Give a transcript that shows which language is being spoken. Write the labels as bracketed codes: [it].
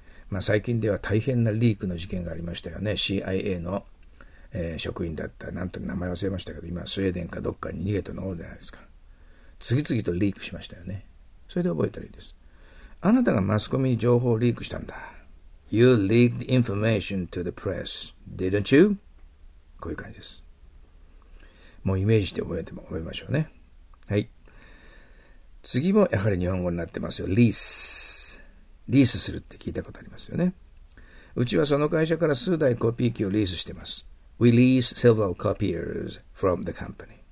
[ja] まあ、最近では大変なリークの事件がありましたよね。CIA の、職員だった、なんと名前忘れましたけど、今スウェーデンかどっかに逃げたのおるじゃないですか。次々とリークしましたよね。それで覚えたらいいです。あなたがマスコミに情報をリークしたんだ。 [en] You leaked information to the press, didn't you? [ja] こういう感じです。もうイメージして覚えましょうね。はい、次もやはり日本語になってますよ。リース、リースするって聞いたことありますよね。うちはその会社から数台コピー機をリースしてます。 [en] We lease several copiers from the company。